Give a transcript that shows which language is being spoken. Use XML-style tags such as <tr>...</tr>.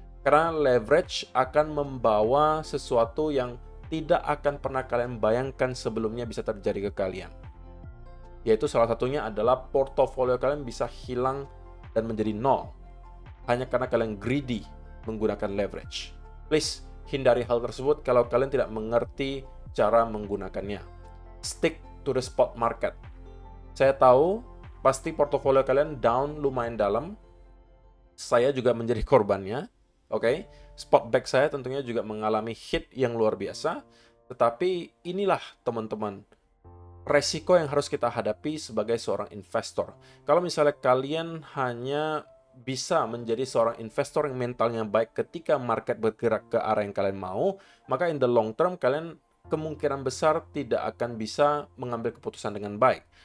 <id>Karena leverage akan membawa sesuatu yang tidak akan pernah kalian bayangkan sebelumnya bisa terjadi ke kalian. Yaitu salah satunya adalah portofolio kalian bisa hilang dan menjadi nol. Hanya karena kalian greedy menggunakan leverage. Please, hindari hal tersebut kalau kalian tidak mengerti cara menggunakannya.</id> <en>Stick to the spot market.</en> <id>Saya tahu, pasti portofolio kalian down lumayan dalam. Saya juga menjadi korbannya. Oke, okay. Spot back saya tentunya juga mengalami hit yang luar biasa. Tetapi inilah teman-teman, resiko yang harus kita hadapi sebagai seorang investor. Kalau misalnya kalian hanya bisa menjadi seorang investor yang mentalnya baik ketika market bergerak ke arah yang kalian mau, maka</id> <en>in the long term</en> <id>kalian kemungkinan besar tidak akan bisa mengambil keputusan dengan baik.</id>